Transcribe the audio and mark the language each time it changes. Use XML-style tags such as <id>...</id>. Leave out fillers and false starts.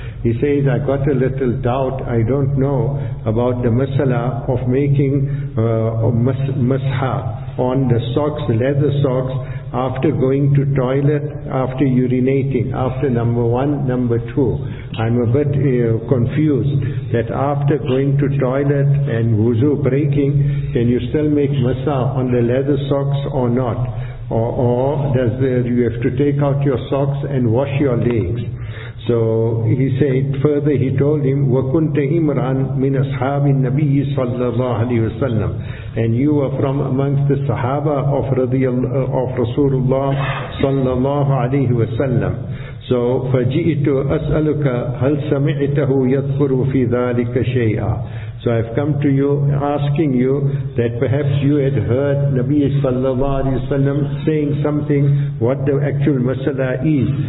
<en>He says, I got a little doubt, I don't know about the masala of making masha on the socks, leather socks, after going to toilet, after urinating, after number one, number two. I'm a bit confused that after going to toilet and wuzu breaking, can you still make masa on the leather socks or not? Or does there, you have to take out your socks and wash your legs? So he said, further he told him,</en> <ar>وَكُنْتَ إِمْرَانْ مِنْ أَصْحَابِ النَّبِيِّ صَلَّى اللَّهُ عَلَيْهِ وَسَلَّمُ.</ar> <en>And you were from amongst the Sahaba of Rasulullah صَلَّى اللَّهُ عَلَيْهِ وَسَلَّمُ.</en> <ar>So فَجِئِتُ أَسْأَلُكَ هَلْ سَمِعْتَهُ يَذْكُرُ فِي ذَلِكَ شَيْئًا.</ar> <en>So I've come to you asking you that perhaps you had heard Nabi sallallahu alayhi wa sallam saying something, what the actual masala is.</en>